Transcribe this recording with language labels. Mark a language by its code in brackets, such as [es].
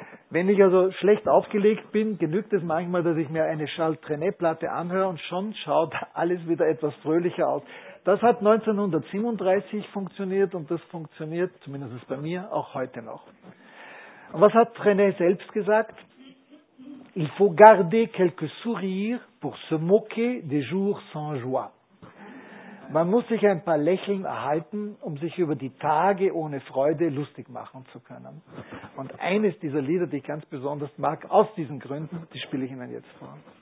[de] Wenn ich also schlecht aufgelegt bin, genügt es manchmal, dass ich mir eine Charles Trenet-Platte anhöre und schon schaut alles wieder etwas fröhlicher aus. Das hat 1937 funktioniert und das funktioniert, zumindest bei mir, auch heute noch. Und was hat Trenet selbst gesagt? [fr] Il faut garder quelques sourires pour se moquer des jours sans joie. [de] Man muss sich ein paar Lächeln erhalten, um sich über die Tage ohne Freude lustig machen zu können. Und eines dieser Lieder, die ich ganz besonders mag, aus diesen Gründen, die spiele ich Ihnen jetzt vor.